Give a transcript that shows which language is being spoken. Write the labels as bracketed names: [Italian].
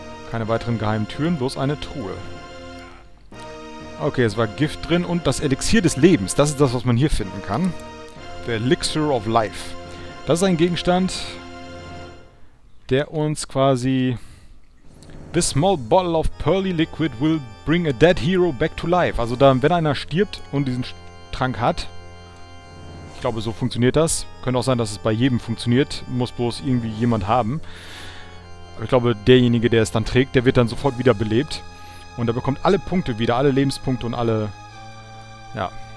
[German] Keine weiteren geheimen Türen, bloß eine Truhe. Okay, es war Gift drin und das Elixier des Lebens. Das ist das, was man hier finden kann. The Elixir of Life. Das ist ein Gegenstand, der uns quasi... [English] This small bottle of pearly liquid will bring a dead hero back to life. [German] Also dann, wenn einer stirbt und diesen Trank hat, ich glaube, so funktioniert das. Könnte auch sein, dass es bei jedem funktioniert. Muss bloß irgendwie jemand haben. Aber ich glaube, derjenige, der es dann trägt, der wird dann sofort wieder belebt. Und da bekommt alle Punkte wieder, alle Lebenspunkte und alle... Ja.